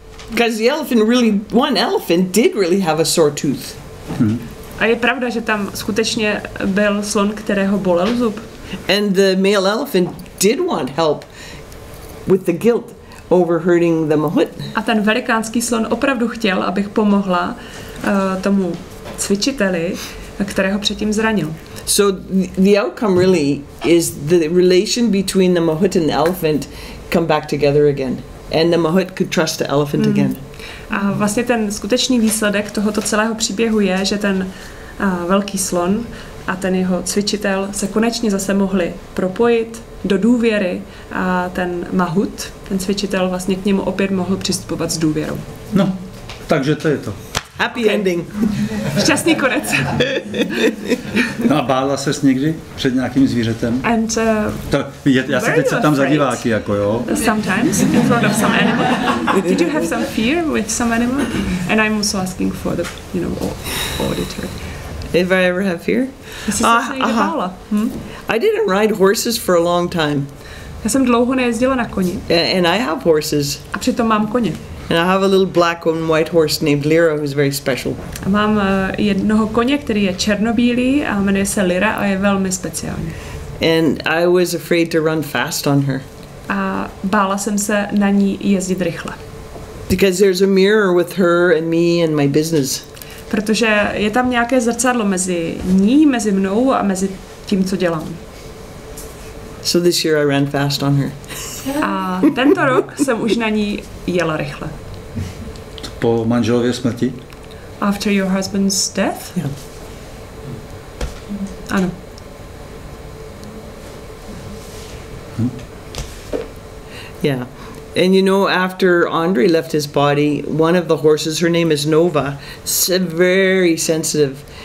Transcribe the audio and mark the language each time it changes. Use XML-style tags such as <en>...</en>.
<en>Because the elephant really, one elephant did really have a sore tooth.</en> <cs>A je pravda, že tam skutečně byl slon, kterého bolel zub.</cs> <en>And the male elephant did want help with the guilt over hurting the mahout.</en> <cs>A ten velikánský slon opravdu chtěl, abych pomohla tomu cvičiteli, kterého předtím zranil.</cs> <en>So the outcome really is the relation between the mahout and the elephant come back together again, and the mahout could trust the elephant again.</en> <cs>A vlastně ten skutečný výsledek tohoto celého příběhu je, že ten velký slon a ten jeho cvičitel se konečně zase mohli propojit do důvěry a ten mahout, ten cvičitel vlastně k němu opět mohl přistupovat s důvěrou. No, takže to je to.</cs> <en>Happy ending.</en> <cs>Šťastný konec. No a bála ses někdy před nějakým zvířetem?</cs> <en>And</en> <cs>já se teď se tam zadíváky jako jo.</cs> <en>Sometimes in front of some animal. Did you have some fear with some animal? And I'm also asking for the, you know, auditor. If I ever have fear?</en> <cs>Bála.</cs> <en>I didn't ride horses for a long time.</en> <cs>Já jsem dlouho nejezdila na koni.</cs> <en>And I have horses.</en> <cs>A přitom mám koně.</cs> <en>And I have a little black and white horse named Lyra, who's very special.</en> <cs>Mám jednoho koně, který je černobílý a jmenuje se Lyra a je velmi speciální.</cs> <en>And I was afraid to run fast on her.</en> <cs>A bála jsem se na ní jezdit rychle.</cs> <en>Because there's a mirror with her and me and my business.</en> <cs>Protože je tam nějaké zrcadlo mezi ní, mezi mnou a mezi tím, co dělám.</cs> <en>So this year I ran fast on her.</en> <cs>A tento rok jsem už na ní jela rychle. Po manželově smrti?</cs> <en>After your husband's death? Yeah.</en> <cs>Ano. Yeah.</cs> <en>And you know, after Andre left his body, one of the horses, her name is Nova, very sensitive.</en>